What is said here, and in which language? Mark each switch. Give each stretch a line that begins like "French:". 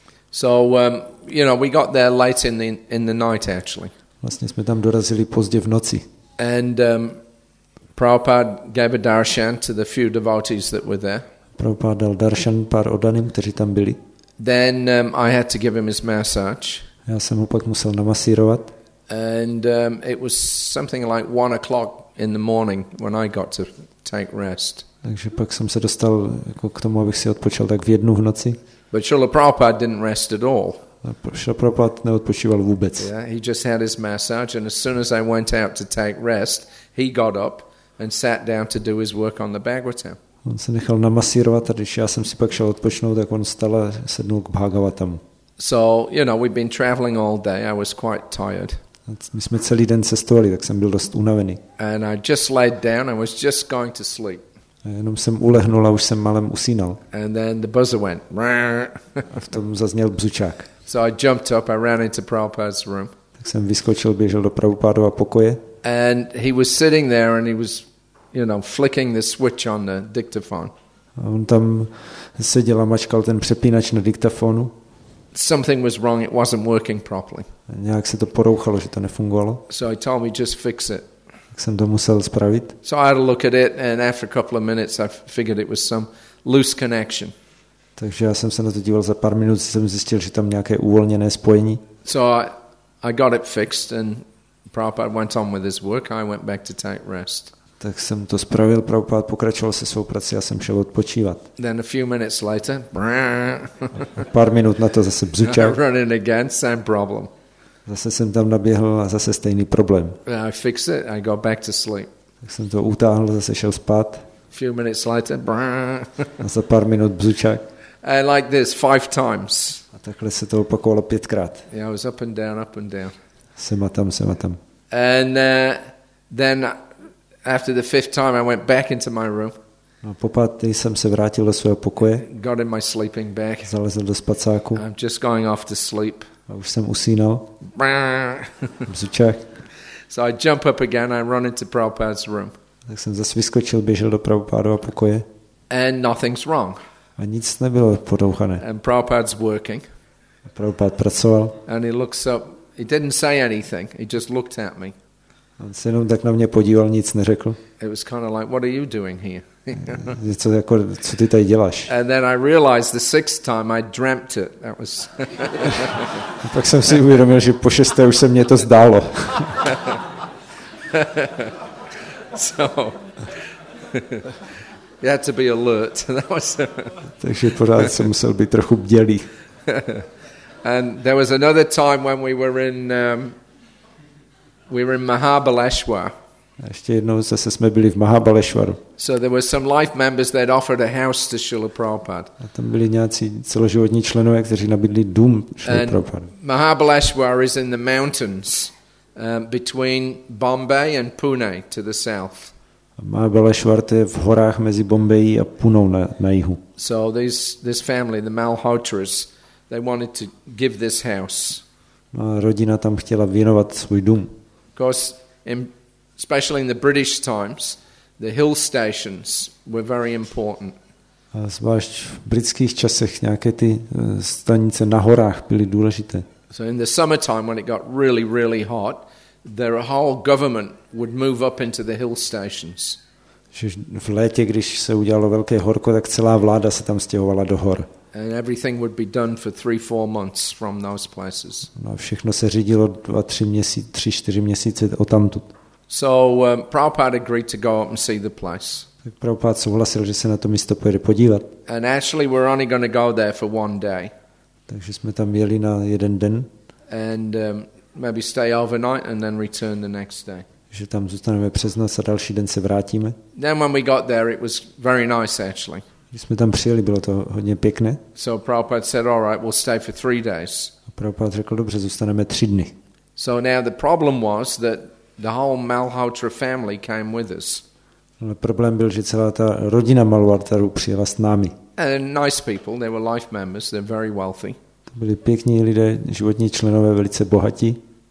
English: So, you know, we got there late in the night, actually.
Czech: Vlastně jsme tam dorazili pozdě v noci.
English: And Prabhupada gave a darshan to the few devotees that were there.
Czech: Prabhupada dal darshan pár oddaným, kteří tam byli.
English: Then I had to give him his massage.
Czech: Já jsem mu pak musel namasírovat.
English: And it was something like 1 o'clock in the morning when I got to take rest.
Czech: Takže pak jsem se dostal jako k tomu, abych si odpočal tak v jednu v noci.
English: But Srila Prabhupada didn't rest at all.
Czech: Srila Prabhupada neodpočíval vůbec.
English: Yeah, he just had his massage, and as soon as I went out to take rest, he got up and sat down to do his work on the Bhagavatam.
Czech: On se nechal namasírovat, a když já jsem si pak šel odpočnout, tak on stál a sednul k Bhagavatamu.
English: So, you know, we've been traveling all day. I was quite tired.
Czech: My jsme celý den cestovali, tak jsem byl dost unavený.
English: And I just laid down and was just going to sleep.
Czech: A jenom jsem ulehnul a už jsem malem usínal.
English: And then the buzzer went.
Czech: A v tom zazněl bzučák.
English: So I jumped up, I ran into Prabhupada's room.
Czech: Tak jsem vyskočil, běžel do Prabhupádova pokoje.
English: And he was sitting there and he was, you know, flicking the switch on the dictaphone.
Czech: A on tam seděl a mačkal ten přepínač na diktafonu.
English: Something was wrong, it wasn't working properly.
Czech: A nějak se to porouchalo, že to nefungovalo.
English: So he told me just fix it.
Czech: Tak jsem to musel spravit.
English: So I had a look at it and after a couple of minutes I figured it was some loose connection.
Czech: Takže já jsem se na to díval za pár minut, jsem zjistil, že tam nějaké uvolněné spojení.
English: So I got it fixed and Prabhupada went on with his work. I went back to take rest.
Czech: Tak jsem to spravil, Prabhupada pokračoval se svou prací, já jsem šel odpočívat.
English: Then a few minutes later.
Czech: Pár minut na to zase bzučal.
English: Running again, same problem.
Czech: Zase jsem tam naběhl a zase stejný problém.
English: And I fix it, I go back to sleep.
Czech: Tak jsem to utáhl, zase šel spát.
English: A few minutes later.
Czech: A za pár minut bzučák.
English: And like this, 5 times.
Czech: A takhle se to opakovalo 5krát.
English: Yeah, I was up and down, up and down.
Czech: Sem a tam, sem a tam.
English: And then after the 5th time I went back into my room.
Czech: A po pátý jsem se vrátil do svého pokoje.
English: Got in my sleeping bag.
Czech: Zalezl do spacáku.
English: I'm just going off to sleep.
Czech: A už jsem usínal. Bzučák.
English: So I jump up again, I run into Prabhupada's room.
Czech: Tak jsem zase vyskočil, běžel do Prabhupádova pokoje.
English: And nothing's wrong.
Czech: A nic nebylo porouchané.
English: And Prabhupada's working.
Czech: A Prabhupád pracoval.
English: And he looks up, he didn't say anything, he just looked at me.
Czech: On se jenom tak na mě podíval, nic neřekl.
English: It was kind of like, what are you doing here?
Czech: Něco jako, co ty tady děláš?
English: And then I realized the 6th time I dreamt it. That was.
Czech: Pak jsem si uvědomil, že po 6. už se mě to zdálo.
English: So, you had to be alert. That was.
Czech: Takže pořád jsem musel být trochu bdělý.
English: And there was another time when we were in Mahabaleshwar.
Czech: A ještě jednou zase jsme byli v Mahabaleshwaru.
English: So there were some life members that offered a house to Srila Prabhupada.
Czech: A tam byli nějací celoživotní členové, kteří nabídli dům Srila Prabhupada.
English: Mahabaleshwar is in the mountains between Bombay and Pune to the south.
Czech: Mahabaleshwar je v horách mezi Bombají a Punou na jihu.
English: So this family, the Malhotras, they wanted to give this house.
Czech: A rodina tam chtěla věnovat svůj dům.
English: Because especially in the British times, the hill stations were very important.
Czech: A zvlášť v britských časech nějaké ty stanice na horách byly důležité.
English: So in the summertime when it got really, really hot, their whole government would move up into the hill stations.
Czech: V létě, když se udělalo velké horko, tak celá vláda se tam stěhovala do hor.
English: And everything would be done for 3-4 months from those places.
Czech: No, všechno se řídilo 2-3 měsíce, 3-4 měsíce odtamtud.
English: So Prabhupada agreed to go up and see the place.
Czech: Tak Prabhupada souhlasil, že se na to místo pojede podívat.
English: And actually we're only going to go there for one day.
Czech: Takže jsme tam jeli na jeden den.
English: And maybe stay overnight and then return the next day.
Czech: Že tam zůstaneme přes noc a další den se vrátíme.
English: Then when we got there it was very nice actually.
Czech: Když jsme tam přijeli, bylo to hodně pěkné.
English: So Prabhupada said, all right, we'll stay for 3 days.
Czech: A Prabhupada řekl, dobře, zůstaneme 3 dny.
English: So now the problem was that the whole Malhotra family came with us.
Czech: Ale problém byl, že celá ta rodina Malhotrů přijela s námi.
English: And nice people, they were life members, they're very wealthy.
Czech: To byli pěkní lidé, životní členové, velice bohatí.